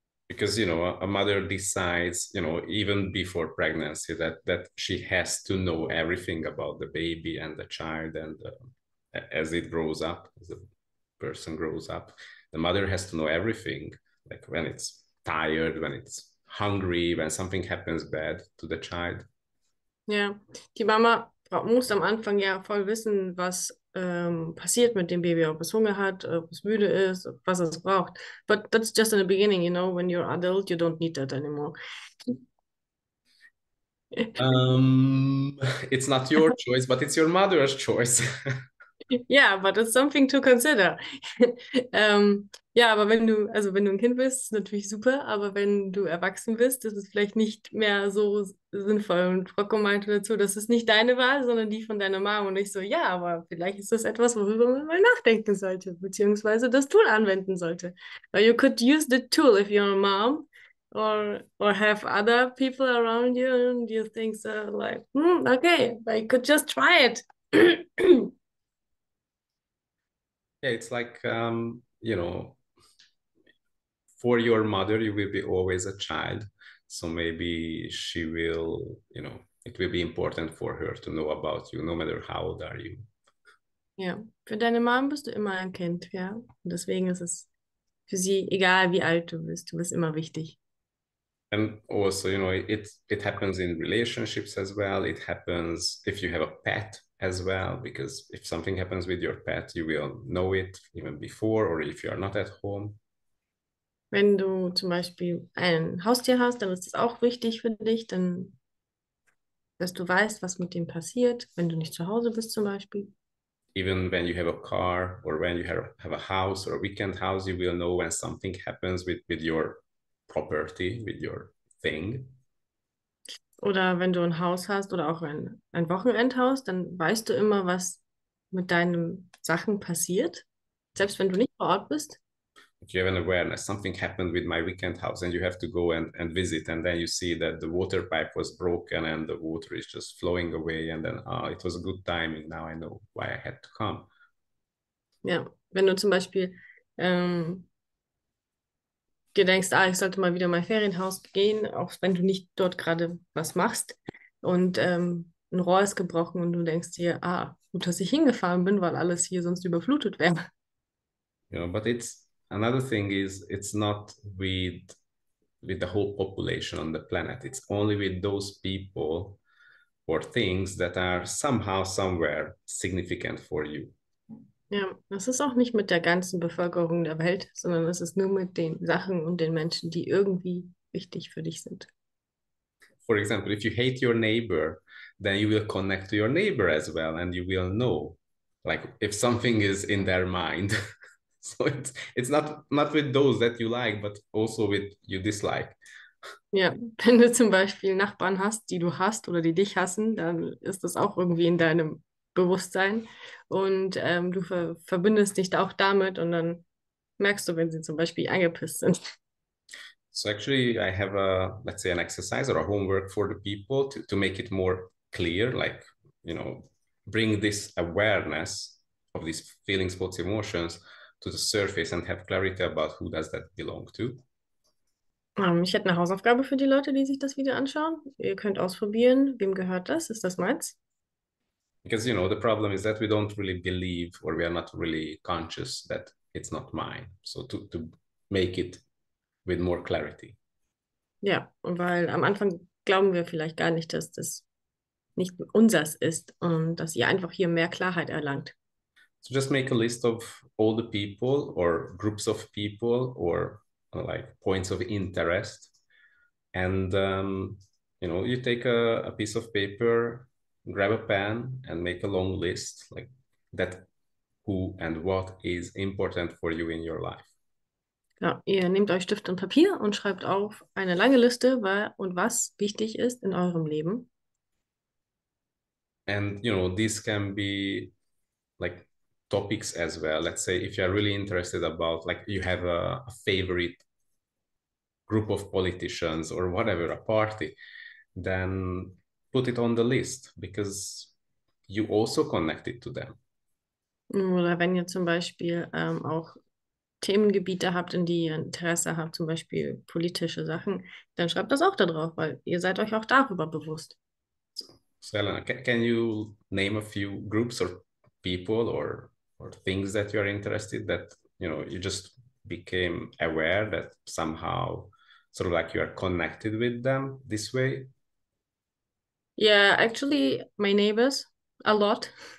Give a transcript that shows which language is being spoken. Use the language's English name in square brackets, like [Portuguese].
[English] Because a mother decides, even before pregnancy, that she has to know everything about the baby and the child and as it grows up, as a person grows up, the mother has to know everything, like when it's tired, when it's hungry, when something happens bad to the child. [German] Ja, die Mama muss am Anfang ja voll wissen, was passiert mit dem Baby, ob es Hunger hat, ob es müde ist, was es braucht. [English] But that's just in the beginning, you know, when you're adult, you don't need that anymore. It's not your choice, but it's your mother's choice. Yeah, but it's something to consider. [German] aber wenn du, also wenn du ein Kind bist, natürlich super, aber wenn du erwachsen bist, das ist vielleicht nicht mehr so sinnvoll. Und Rocco meinte dazu, das ist nicht deine Wahl, sondern die von deiner Mom. Und ich so, ja, aber vielleicht ist das etwas, worüber man mal nachdenken sollte, beziehungsweise das Tool anwenden sollte. [English] Well, you could use the tool if you're a mom. Or have other people around you and you think so, like, okay, I could just try it. Yeah, it's like, you know, for your mother, you will be always a child. So maybe she will, you know, it will be important for her to know about you, no matter how old are you. [German] Yeah, für deine Mom bist du immer ein Kind, ja. Yeah? Deswegen ist es für sie, egal wie alt du bist immer wichtig. [English] And also, you know, it happens in relationships as well. It happens if you have a pet as well, because if something happens with your pet, you will know it even before, or if you are not at home. [German] Wenn du zum Beispiel ein Haustier hast, dann ist es auch wichtig für dich, dann, dass du weißt, was mit dem passiert, wenn du nicht zu Hause bist zum Beispiel. [English] Even when you have a car, or when you have a house or a weekend house, you will know when something happens with your property, with your thing. [German] Oder wenn du ein Haus hast oder auch ein Wochenendhaus, dann weißt du immer, was mit deinen Sachen passiert, selbst wenn du nicht vor Ort bist. [English] If you have an awareness, something happened with my weekend house and you have to go and visit, and then you see that the water pipe was broken and the water is just flowing away, and then it was a good timing, now I know why I had to come. [German] Ja, wenn du zum Beispiel dir denkst, ah, ich sollte mal wieder in mein Ferienhaus gehen, auch wenn du nicht dort gerade was machst und ein Rohr ist gebrochen und du denkst dir, ah, gut, dass ich hingefahren bin, weil alles hier sonst überflutet wäre. [English] You know, but it's another thing is it's not with the whole population on the planet. It's only with those people or things that are somehow somewhere significant for you. [German] Ja, das ist auch nicht mit der ganzen Bevölkerung der Welt, sondern es ist nur mit den Sachen und den Menschen, die irgendwie wichtig für dich sind. [English] For example, if you hate your neighbor, then you will connect to your neighbor as well and you will know, like, if something is in their mind. So it's not with those that you like, but also with you dislike. [German] Ja, wenn du zum Beispiel Nachbarn hast, die du hast oder die dich hassen, dann ist das auch irgendwie in deinem Bewusstsein und du verbindest dich da auch damit und dann merkst du, wenn sie zum Beispiel angepisst sind. [English] So actually I have a, let's say, an exercise or a homework for the people to make it more clear, like, you know, bring this awareness of these feelings, thoughts, emotions to the surface and have clarity about who does that belong to. [German] Ich hätte eine Hausaufgabe für die Leute, die sich das Video anschauen. Ihr könnt ausprobieren, wem gehört das? Ist das meins? [English] Because, you know, the problem is that we don't really believe or we are not really conscious that it's not mine. So to make it with more clarity. [German] Ja, weil am Anfang glauben wir vielleicht gar nicht, dass das nicht unseres ist und dass ihr einfach hier mehr Klarheit erlangt. [English] So just make a list of all the people or groups of people or like points of interest. And, you know, you take a piece of paper, grab a pen and make a long list, like, that who and what is important for you in your life. [German] Ja, ihr nehmt euch Stift und Papier und schreibt auf eine lange Liste, wer und was wichtig ist in eurem Leben. [English] And, you know, these can be like topics as well. Let's say if you are really interested about, like, you have a favorite group of politicians or whatever, a party, then put it on the list, because you also connect it to them. [German] Oder wenn ihr zum Beispiel auch Themengebiete habt, in die ihr Interesse habt, zum Beispiel politische Sachen, dann schreibt das auch da drauf, weil ihr seid euch auch darüber bewusst. [English] So Elena, can you name a few groups or people or things that you are interested, that, you know, you just became aware that somehow, sort of like, you are connected with them this way? Yeah, actually, my neighbors, a lot.